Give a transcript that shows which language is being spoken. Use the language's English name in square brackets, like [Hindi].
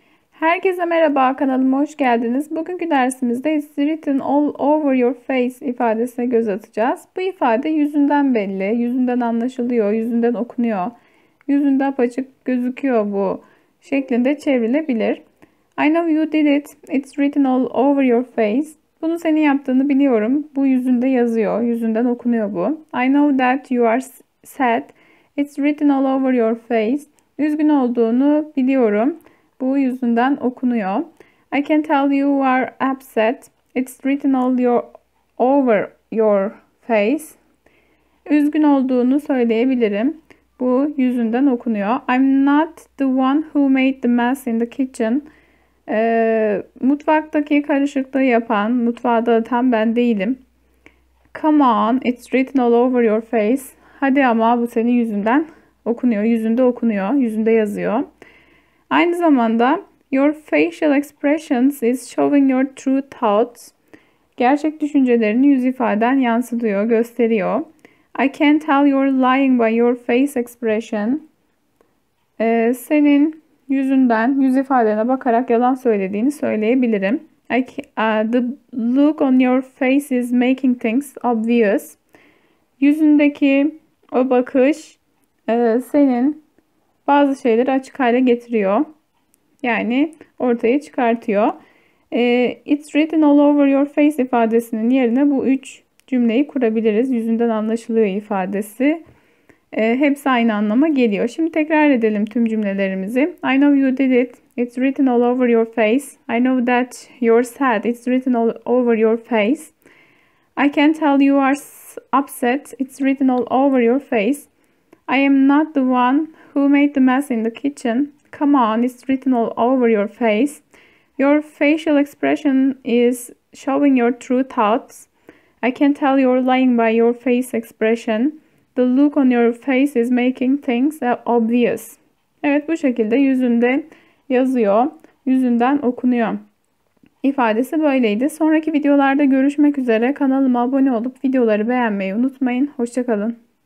[Turkish] Herkese merhaba, kanalıma hoş geldiniz. Bugünkü dersimizde [English] "It's written all over your face" [Turkish] ifadesine göz atacağız. Bu ifade yüzünden belli, yüzünden anlaşılıyor, yüzünden okunuyor. Yüzünde apaçık gözüküyor bu şeklinde çevrilebilir. [English] I know you did it. It's written all over your face. [Turkish] Bunu senin yaptığını biliyorum. Bu yüzünde yazıyor, yüzünden okunuyor bu. [English] I know that you are sad. It's written all over your face. [Turkish] Üzgün olduğunu biliyorum. Bu yüzünden okunuyor. [English] I can tell you are upset. It's written over your face. [Turkish] Üzgün olduğunu söyleyebilirim. Bu yüzünden okunuyor. [English] I'm not the one who made the mess in the kitchen. [Turkish] Mutfaktaki karışıklığı yapan, mutfağı dağıtan ben değilim. [English] Come on, it's written all over your face. [Turkish] Hadi ama, bu senin yüzünden okunuyor. Yüzünde okunuyor. Yüzünde yazıyor. Aynı zamanda [English] "your facial expressions is showing your true thoughts." [Turkish] Gerçek düşüncelerini yüz ifaden yansıtıyor, gösteriyor. [English] I can tell you're lying by your face expression. [Turkish] Senin yüzünden, yüz ifadene bakarak yalan söylediğini söyleyebilirim. [English] The look on your face is making things obvious. [Turkish] Yüzündeki o bakış senin bazı şeyleri açık hale getiriyor. Yani ortaya çıkartıyor. [English] It's written all over your face [Turkish] ifadesinin yerine bu üç cümleyi kurabiliriz. Yüzünden anlaşılıyor ifadesi. Hepsi aynı anlama geliyor. Şimdi tekrar edelim tüm cümlelerimizi. [English] I know you did it. It's written all over your face. I know that you're sad. It's written all over your face. I can tell you are upset. It's written all over your face. I am not the one who made the mess in the kitchen? Come on, it's written all over your face. Your facial expression is showing your true thoughts. I can tell you're lying by your face expression. The look on your face is making things obvious. [Turkish] Evet, bu şekilde yüzünde yazıyor. Yüzünden okunuyor. İfadesi böyleydi. Sonraki videolarda görüşmek üzere. Kanalıma abone olup videoları beğenmeyi unutmayın. Hoşça kalın.